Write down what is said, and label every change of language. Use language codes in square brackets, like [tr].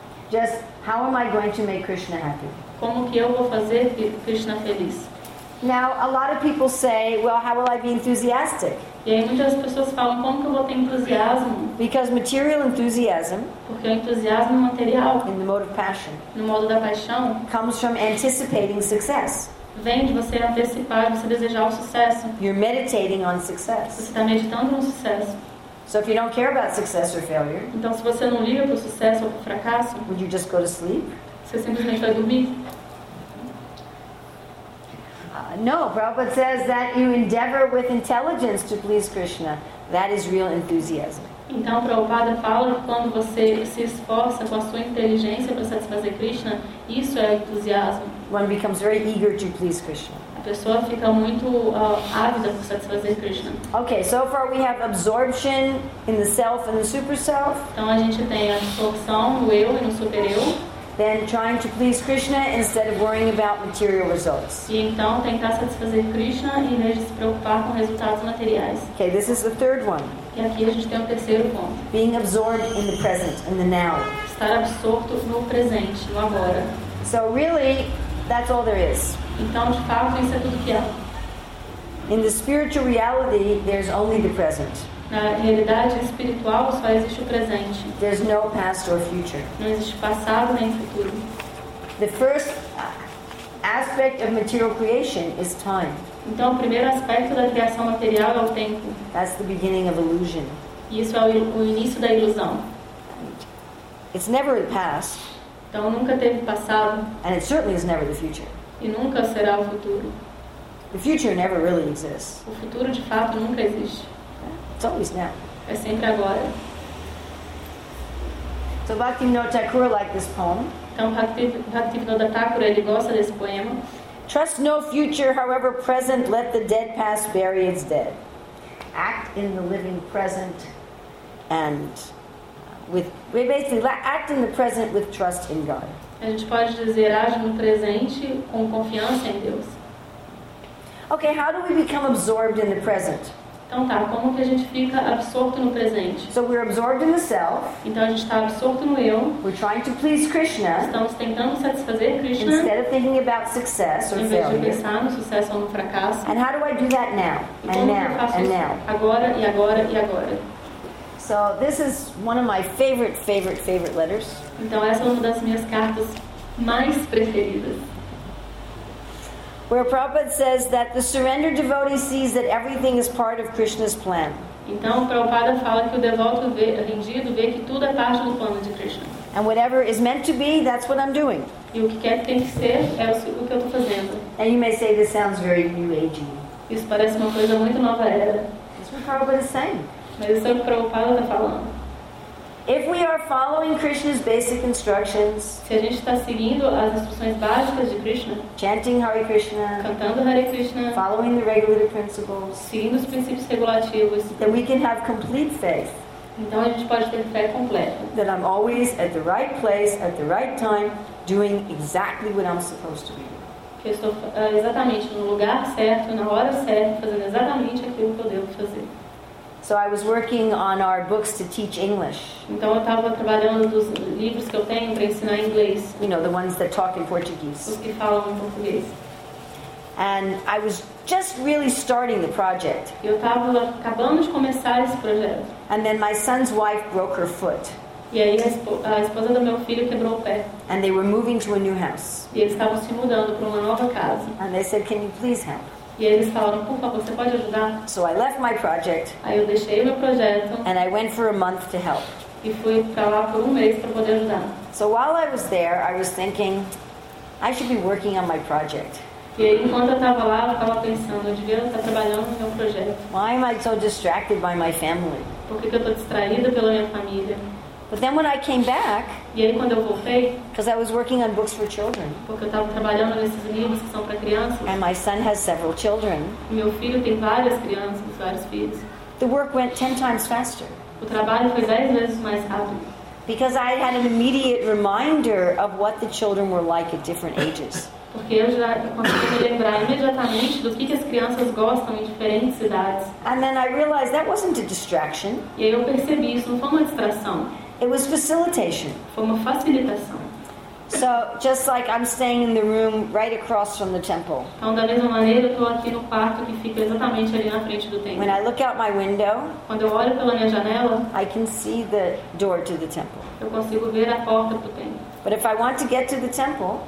[en] Just how am I going to make Krishna happy? [pt] Como que eu vou fazer Krishna feliz? [en] Now a lot of people say, well, how will I be enthusiastic? [pt] E aí muitas pessoas falam, como que eu vou ter entusiasmo? [en] Because material enthusiasm, [pt] porque o entusiasmo material, [en] in the mode of passion, [pt] no modo da paixão, [en] comes from anticipating success. [pt] Vem de você antecipar, de você desejar o sucesso. [en] You're meditating on success. [pt] Você está meditando no sucesso. [en] So if you don't care about success or failure, [pt] então se você não liga para o sucesso ou para o fracasso, [en] would you just go to sleep? [pt] Você simplesmente vai dormir? [en] No, Prabhupada says that you endeavor with intelligence to please Krishna. That is real enthusiasm. [pt] Então, Prabhupada fala que quando você se esforça com a sua inteligência para satisfazer Krishna, isso é entusiasmo. [en] One becomes very eager to please Krishna. [pt] A pessoa fica muito ávida por satisfazer Krishna. [en] Okay, so far we have absorption in the self and the super self. [pt] Então a gente tem a absorção, o eu e o super eu. [en] than trying to please Krishna instead of worrying about material results. [pt] E então tentar satisfazer Krishna em vez de se preocupar com resultados materiais. [en] Okay, this is the third one. [pt] E aqui a gente tem o terceiro ponto. [en] Being absorbed in the present, in the now. [pt] Estar absorto no presente, no agora. [en] So really, that's all there is. [pt] Então, de fato, isso é tudo que há. [en] In the spiritual reality, there's only the present. [pt] Na realidade espiritual, só existe o presente. [en] There's no past or future. [pt] Não existe passado nem futuro. [en] The first aspect of material creation is time. [pt] Então, o primeiro aspecto da criação material é o tempo. [en] That's the beginning of illusion. [pt] Isso é o início da ilusão. [en] It's never the past. [pt] Então, nunca teve passado. [en] And it certainly is never the future. [pt] E nunca será o futuro. [en] The future never really exists. [pt] O futuro de fato nunca existe. [en] It's always now. [pt] É sempre agora. [en] So Bhaktivinoda Thakur liked this poem. [pt] Então Bhaktivinoda Thakur ele gosta desse poema. [en] Trust no future, however present, let the dead past bury its dead. Act in the living present and with basically act in the present with trust in God. [pt] A gente pode dizer age no presente com confiança em Deus. [en] Okay, how do we become absorbed in the present? [pt] Então tá, como que a gente fica absorto no presente? [en] So we're absorbed in the self. [pt] Então a gente está absorto no eu. [en] We're trying to please Krishna. [pt] Estamos tentando satisfazer Krishna. [en] Instead of thinking about success or failure. [pt] Em vez de pensar no sucesso ou no fracasso. [en] And how do I do that now? And now, and now. [pt] Agora e agora e agora. [en] So this is one of my favorite letters. [pt] Então essa é uma das minhas cartas mais preferidas. [en] Where Prabhupada says that the surrendered devotee sees that everything is part of Krishna's plan. [pt] Então, Prabhupada fala que o devoto rendido vê que tudo é parte do plano de Krishna. [en] And whatever is meant to be, that's what I'm doing. [pt] E o que quer tem que ser é o que eu estou fazendo. [en] And you may say this sounds very new agey. [pt] Isso parece uma coisa muito nova era. [en] That's what Prabhupada is saying. [pt] Mas isso é o que Prabhupada está falando. [en] If we are following Krishna's basic instructions, [pt] se a gente está seguindo as instruções básicas de Krishna, [en] chanting Hare Krishna, [pt] cantando Hare Krishna, [en] following the regulative principles, [pt] seguindo os princípios regulativos, [en] then we can have complete faith. [pt] Então a gente pode ter fé completa. [en] That I'm always at the right place at the right time, doing exactly what I'm supposed to be. [pt] Que eu estou exatamente no lugar certo, na hora certa, fazendo exatamente aquilo que eu devo fazer. [en] So I was working on our books to teach English. [pt] Então eu estava trabalhando nos livros que eu tenho para ensinar inglês. [en] You know, the ones that talk in Portuguese. [pt] Os que falam em português. [en] And I was just really starting the project. [pt] Eu estava acabando de começar esse projeto. [en] And then my son's wife broke her foot. [pt] E aí a esposa do meu filho quebrou o pé. [en] And they were moving to a new house. [pt] E eles estavam se mudando para uma nova casa. [en] And they said, "Can you please help?" [pt] E eles falaram, por favor, você pode ajudar? [en] So I left my project. [pt] Aí eu deixei meu projeto. [en] And I went for a month to help. [pt] E fui para lá por um mês para poder ajudar. [en] So while I was there, I was thinking, I should be working on my project. [pt] E aí, enquanto eu estava lá, eu estava pensando, eu devia estar trabalhando no meu projeto. [en] Why am I so distracted by my family? [pt] Por que eu estou distraída pela minha família? [en] But then when I came back, [pt] e aí quando eu voltei, [en] because I was working on books for children, [pt] porque eu estava trabalhando nesses livros que são para crianças, [en] and my son has several children, [pt] meu filho tem várias crianças, vários filhos, [en] the work went 10 times faster. [pt] O trabalho foi 10 vezes mais rápido. [en] Because I had an immediate reminder of what the children were like at different ages. [pt] Porque eu já consegui me lembrar imediatamente do que as crianças gostam em diferentes idades. [en] And then I realized that wasn't a distraction. [pt] E aí eu percebi, isso não foi uma distração. [en] It was facilitation. [pt] Foi uma facilitação. [en] So, just like I'm staying in the room right across from the temple. [pt] Então, da mesma maneira, eu tô aqui no quarto que fica exatamente ali na frente do templo. [en] When I look out my window, [pt] quando eu olho pela minha janela, [en] I can see the door to the temple. [pt] Eu consigo ver a porta pro templo. [en] But if I want to get to the temple,